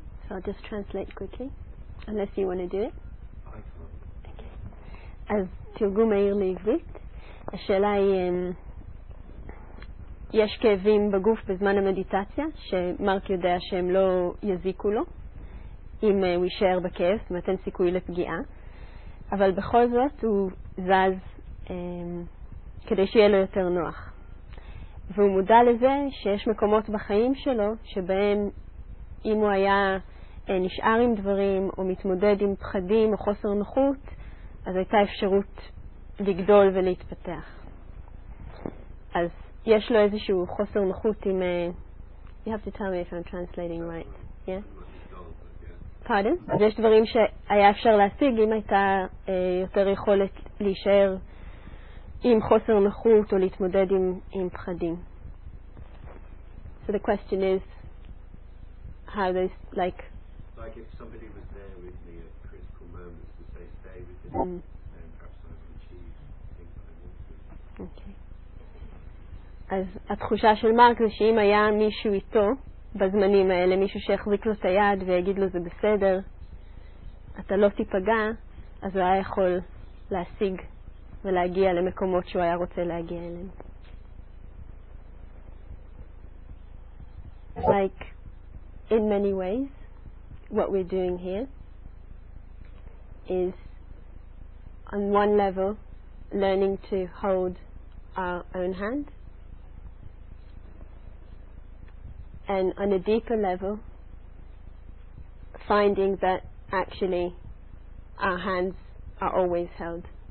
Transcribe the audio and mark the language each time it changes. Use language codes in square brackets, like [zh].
[en] I'll just translate quickly, unless you want to do it. [he] Okay. אז תרגום מהיר לעברית. השאלה היא, יש כאבים בגוף בזמן המדיטציה, שמרק יודע שהם לא יזיקו לו, אם הוא יישאר בכאב, זאת אומרת, אין סיכוי לפגיעה. אבל בכל זאת הוא זז כדי שיהיה לו יותר נוח. והוא מודע לזה שיש מקומות בחיים שלו, שבהם אם הוא היה נשאר עם דברים, או מתמודד עם פחדים, או חוסר נוחות, אז הייתה אפשרות לגדול ולהתפתח. אז יש לו איזשהו חוסר נוחות עם... [en] You have to tell me if I'm translating right. Yeah? Pardon? [he] אז יש דברים שהיה אפשר להשיג אם הייתה יותר יכולת להישאר עם חוסר נוחות, או להתמודד עם פחדים. [en] So the question is, how does, like, like if somebody was there with me at critical moments to say stay with me, then perhaps I could achieve things that I wanted. Okay. [he] אז התחושה של מרק זה שאם היה מישהו איתו בזמנים האלה, מישהו שיחזיק לו את היד ויגיד לו זה בסדר, אתה לא תיפגע, אז הוא היה יכול להשיג ולהגיע למקומות שהוא היה רוצה להגיע אליהם. [en] Like, in many ways, what we're doing here is on one level learning to hold our own hand, and on a deeper level finding that actually our hands are always held.